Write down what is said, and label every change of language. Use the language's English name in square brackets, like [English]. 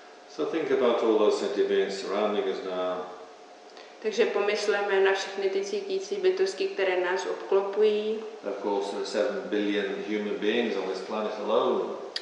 [English] So think about all those sentient beings surrounding us now. [Czech] Takže pomysleme na všechny ty cítící bytosti, které nás obklopují. [English] Of course, there are 7 billion human beings on this planet alone.